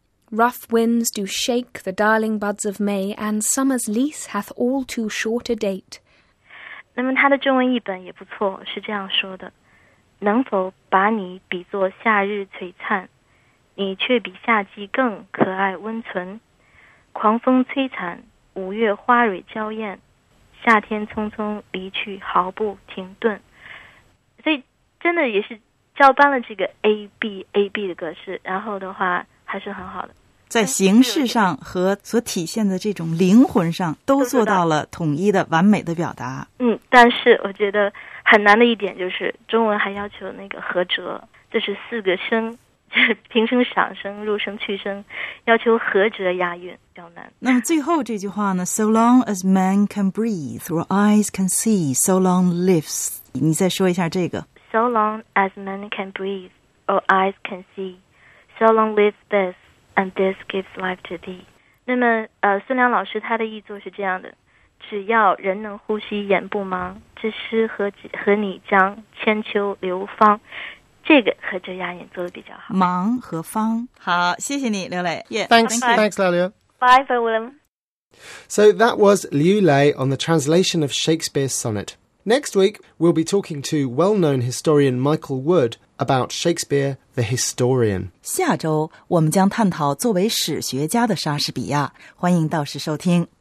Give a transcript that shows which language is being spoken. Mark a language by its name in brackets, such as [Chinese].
[English] Rough winds do shake the darling buds of May, and summer's lease hath all too short a date. [Chinese] 那么他的中文译本也不错，是这样说的。能否把你比作夏日璀璨？你却比夏季更可爱温存，狂风摧残，五月花蕊娇艳，夏天匆匆离去毫不停顿。所以真的也是照搬了这个 ABAB 的格式，然后的话还是很好的，在形式上和所体现的这种灵魂上都做到了统一的完美的表达。但是我觉得很难的一点就是中文还要求那个合辙，这是四个声，平声、上声、入声、去声，要求合辙押韵，比较难。那么最后这句话呢 [English] ？So long as man can breathe, or eyes can see, so long lives. [Chinese] 你再说一下这个。 [English] So long as man can breathe, or eyes can see, so long lives this, and this gives life to thee. [Chinese] 那么孙良老师他的译作是这样的：只要人能呼吸，眼不盲，这诗和你将千秋流芳。这个和这押韵做得比较好，忙和方。好，谢谢你刘磊。 [English] Yeah, thanks, Lalia. Bye for William. So that was Liu Lei on the translation of Shakespeare's sonnet. Next week, we'll be talking to well-known historian Michael Wood about Shakespeare the historian. [Chinese] 下周我们将探讨作为史学家的莎士比亚，欢迎到时收听。